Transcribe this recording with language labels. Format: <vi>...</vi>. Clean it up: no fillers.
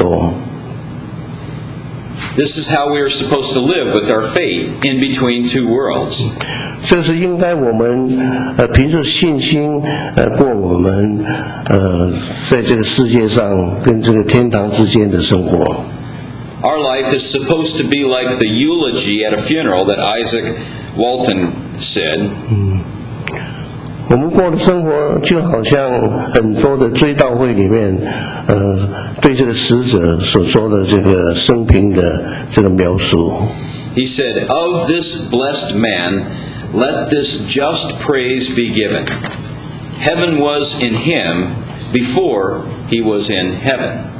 <zh>另外有一位讲到，就是那些基督徒，他在这个世界做的最多的，他对将来的盼望是更多。</zh> <en>This is how we are supposed to live with our faith in between two worlds.</en> <zh>这是应该我们凭着信心过我们在这个世界上跟这个天堂之间的生活。</zh> <en>Our life is supposed to be like the eulogy at a funeral that Isaac Walton said.</en> <zh>我们过的生活就好像很多的追悼会里面，对这个死者所说的这个生平的这个描述。</zh> <en>He said, "Of this blessed man, let this just praise be given. Heaven was in him before he was in heaven."</en>